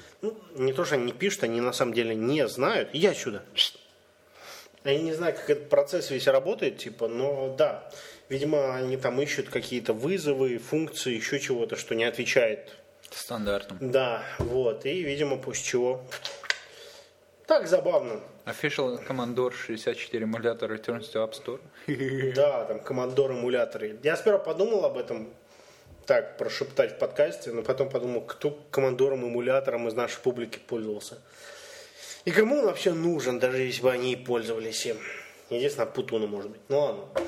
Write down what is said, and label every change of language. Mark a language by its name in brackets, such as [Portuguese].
[Russian] Ну, не то, что они не пишут, они на самом деле не знают. Я сюда. Я не знаю, как этот процесс весь работает, типа, но да, видимо, они там ищут какие-то вызовы, функции, еще чего-то, что не отвечает стандартам. Да, вот, и, видимо, после чего. Так забавно. [English] Official Commodore 64 эмулятор returns to App Store. [Russian] Да, там Commodore эмуляторы. Я сперва подумал об этом, так, прошептать в подкасте, но потом подумал, кто Commodore эмулятором из нашей публики пользовался. И кому он вообще нужен, даже если бы они и пользовались им? Единственное, Путуну, может быть. Ну ладно.